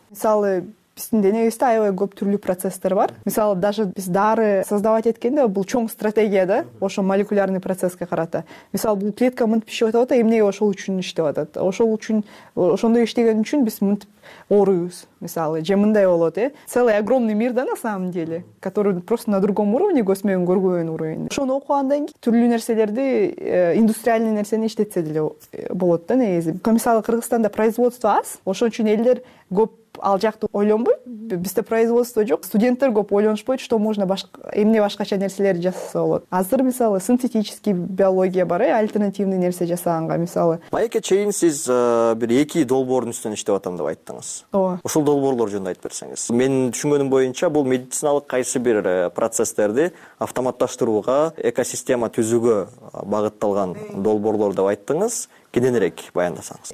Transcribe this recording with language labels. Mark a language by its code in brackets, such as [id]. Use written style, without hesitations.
[ky] Мисалы, биздин денебизде аябай көп түрлүү процесстер бар. Мисалы, даже биз дары создавать эткенде бул чоң стратегия да, ошо молекулярный процесске карата. Мисалы, бул клетка мынтип иштеп атат, эмнеге ошол үчүн иштеп атат? Ошол үчүн, ошондой иштеген үчүн биз мынтип ооруюз. Мисалы, же мындай болот, [ru] целый огромный мир да на самом деле, который просто на другом уровне, госмеем горгуен уровень. [ky] Ошону окугандан кийин түрлүү нерселерди, индустриальный нерсени иштетсе деле болот да негизи. Мисалы, Кыргызстанда производство аз, ошон үчүн элдер көп ал жакты ойлонбойт. Бизде производство жок, студенттер көп ойлонушпойт, [ru] что можно [ky] эмне башкача нерселерди жасаса болот. Азыр мисалы синтетический биология бар, альтернативный нерсе жасаганга мисалы. Маекке чейин сиз бир эки долбоордун үстүнөн иштеп атам деп айттыңыз. Ооба. Ошол долбоорлор жөнүндө айтып берсеңиз. Менин түшүнгөнүм боюнча бул медициналык кайсы бир процесстерди автоматташтырууга, экосистема түзүүгө багытталган долбоорлор деп айттыңыз. Кененирээк баяндасаңыз.